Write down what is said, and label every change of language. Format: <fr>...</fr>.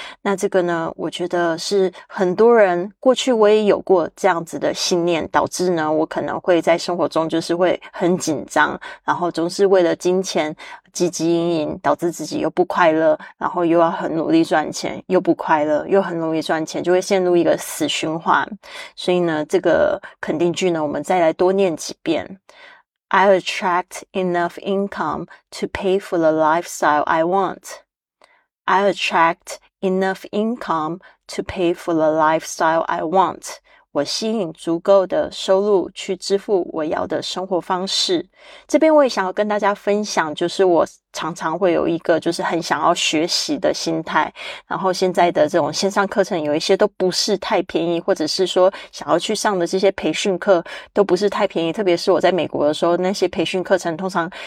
<zh>那这个呢，我觉得是很多人，过去我也有过这样子的信念，导致呢我可能会在生活中就是会很紧张，然后总是为了金钱汲汲营营，导致自己又不快乐，然后又要很努力赚钱又不快乐，又很努力赚钱，就会陷入一个死循环。所以呢，这个肯定句呢，我们再来多念几遍。</zh> <en>I attract enough income to pay for the lifestyle I want. I attract enough income to pay for the lifestyle I want.</en> <zh>我吸引足够的收入去支付我要的生活方式。这边我也想要跟大家分享，就是我常常会有一个就是很想要学习的心态，然后现在的这种线上课程有一些都不是太便宜，或者是说想要去上的这些培训课都不是太便宜，特别是我在美国的时候，那些培训课程通常</zh>